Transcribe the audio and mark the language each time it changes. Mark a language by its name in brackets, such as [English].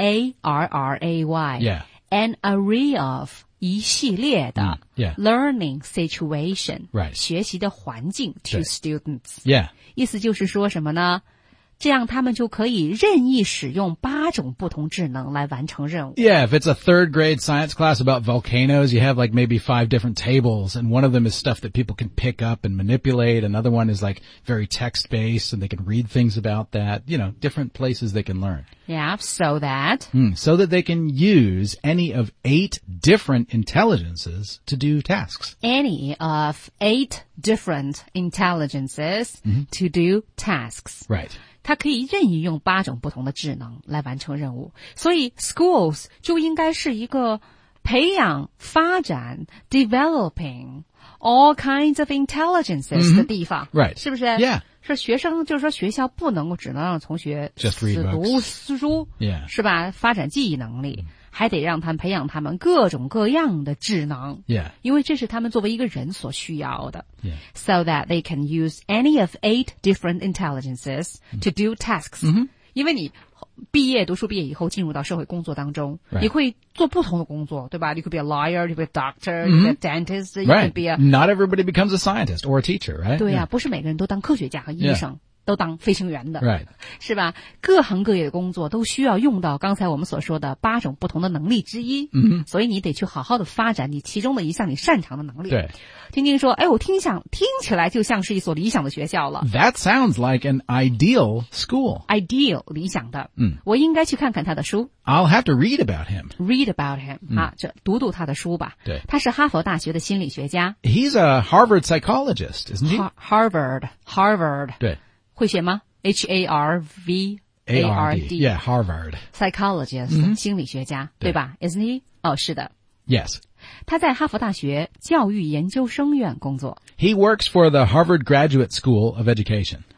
[English] A-R-R-A-Y. Yeah. An array of [Chinese] 一系列的、 [English] mm, yeah. learning situation,、 right. [Chinese] 学习的环境 [English] to、 right. students. Yeah. [Chinese] 意思就是说什么呢这样他们就可以任意使用八种不同智能来完成任务。 [English] Yeah, if it's a third grade science class about volcanoes, you have like maybe five different tables, and one of them is stuff that people can pick up and manipulate, another one is like very text-based, and they can read things about that, you know, different places they can learn. Yeah, so that...、 Mm, so that they can use any of eight different intelligences to do tasks. Any of eight different intelligences、 mm-hmm. to do tasks. Right. [Chinese] 他可以任意用八种不同的智能来完成任务。所以 [English] schools [Chinese] 就应该是一个培养发展 [English] developing all kinds of intelligences、 mm-hmm. [Chinese] 的地方。 [English] Right. [Chinese] 是不是 [English] ?Yeah. [Chinese] 是学生就是说学校不能够只能让同学只读书、 [English] yeah. [Chinese] 是吧发展记忆能力。还得让他们培养他们各种各样的智能、 [English] yeah. [Chinese] 因为这是他们作为一个人所需要的、 [English] yeah. So that they can use any of eight different intelligences to do tasks、 mm-hmm. [Chinese] 因为你毕业读书毕业以后进入到社会工作当中、 [English] right. [Chinese] 你会做不同的工作对吧 [English] You could be a lawyer, you could be a doctor,、 mm-hmm. you could be a dentist、 right. you could be a... Not everybody becomes a scientist or a teacher, right? [Chinese] 对呀、啊 [English] yeah. [Chinese] 不是每个人都当科学家和医生、 [English] yeah. [Chinese] 都当飞行员的、 [English] right. [Chinese] 是吧各行各业的工作都需要用到刚才我们所说的八种不同的能力之一、 mm-hmm. 所以你得去好好的发展你其中的一项你擅长的能力对听听说哎，我听起来就像是一所理想的学校了 [English] That sounds like an ideal school Ideal [Chinese] 理想的、 mm. 我应该去看看他的书 [English] I'll have to read about him Read about him、 [Chinese] mm. 啊，就读读他的书吧对他是哈佛大学的心理学家 [English] He's a Harvard psychologist, isn't he? Harvard [Chinese] 对会写吗 ?H-A-R-V? [English] A-R-D. Yeah, Harvard. Psychologist, [Chinese] mm-hmm. 心理学家, 对吧? [English] Isn't he? [Chinese] 哦,是的。 [English] Yes. [Chinese] 他在哈佛大学教育研究生院工作。 [English] He works for the Harvard Graduate School of Education.